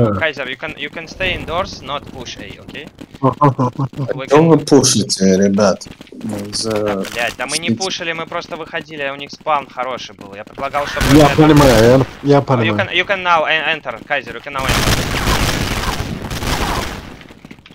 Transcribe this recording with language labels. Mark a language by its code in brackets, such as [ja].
[en] Kaiser, you can stay indoors, not push A, okay? [ru] Don't вы пушите, ребят? Блять, да мы не пушили, мы просто выходили, у них спаун хороший был. Я предлагал, чтобы. Я понимаю, я понимаю. [en] You can now enter, Kaiser, you can now enter.